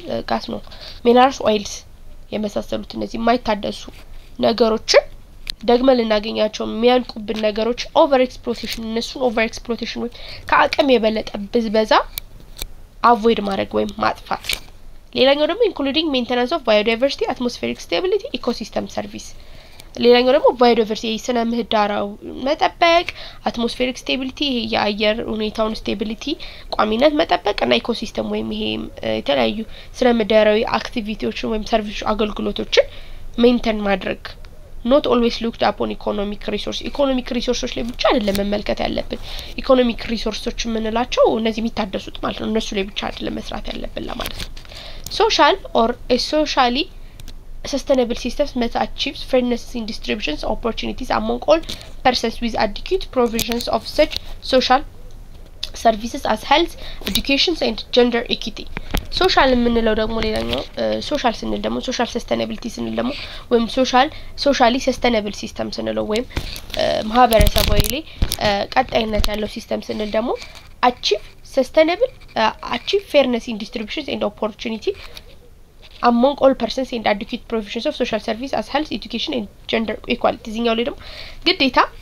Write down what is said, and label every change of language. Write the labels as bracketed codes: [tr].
[am] ጋስ ነው ሚነራልስ ኦይልስ የመሳሰሉት እነዚህ የማይታደሱ ነገሮችን ደግመ ልናገኛቸው የሚያልቁብን ነገሮች ኦቨርኤክስፕሎቴሽን እነሱን ኦቨርኤክስፕሎቴሽን ወይም ከአቅም የበለጠ ብዝበዛ አቮይድ ማድረግ ወይም ማጥፋት ሌላኛው ደግሞ [en] including maintenance of biodiversity, atmospheric stability, ecosystem service. [am] ሌላኛው ደግሞ biodiversity የስነ ምህዳራው መጠበቅ, atmospheric stability የአየር ሁኔታውን stability ቋሚነት መጠበቅ እና ecosystem ወይም ይሄ የተለያዩ ስነ ምህዳራዊ activities ወይም service አገልግሎቶችን maintain ማድረግ. [en] Not always looked upon economic resources. [am] Economic resources ላይ ብቻ አይደለም መመልከት ያለብን. Economic resources ምንላቸው እነዚህ የሚታደሱት ማለት ነው. እነሱ ላይ ብቻ አይደለም መስራት ያለብን ለማለት ነው. [en] Social or a socially sustainable systems must achieve fairness in distribution opportunities among all persons with adequate provisions of such social services as health, education and gender equity. [am] Social የምንለው ደግሞ ሌላኛው [en] social ስንል ደግሞ social sustainability ስንል ደግሞ ወይም socially sustainable system ስንል ወይም ማህበረሰባዊ ላይ ቀጣይነት ያለው system ስንል ደግሞ achieve sustainable achieve fairness in distributions and opportunity among all persons and adequate provisions of social service as health, education and gender equality [am] ዝኛው ላይ ደግሞ ግዴታ